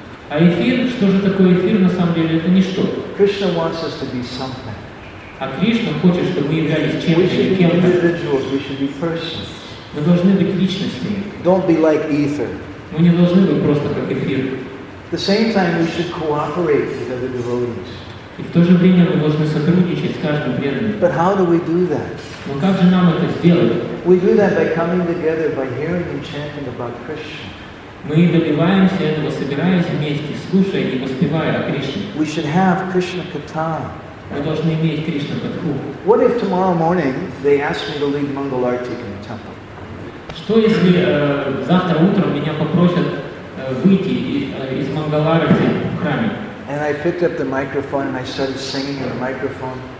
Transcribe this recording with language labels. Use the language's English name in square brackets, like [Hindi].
[Russian] А эфир, что же такое эфир на самом деле, это ничто. [English] Krishna wants us to be something. [Russian] А Кришна хочет, чтобы мы являлись чем-то. Мы должны быть личностями. [English] Don't be like ether. [Russian] Мы не должны быть просто как эфир. [English] The same time we should cooperate with other devotees. [Russian] И в то же время мы должны сотрудничать с каждым преданным. [English] But how do we do that? [Russian] Но как же нам это сделать? [English] We do that by coming together, by hearing and chanting about Krishna. [Russian] Мы добиваемся этого, собираясь вместе, слушая и воспевая о Кришне. [English] We should have Krishna Katha. [Russian] Мы должны иметь Кришна Катху. [English] What if tomorrow morning they ask me to lead Mangal Arti in the temple? [Russian] Что если завтра утром меня попросят выйти из Мангал Арти в храме? [English] And I picked up the microphone and I started singing in the microphone.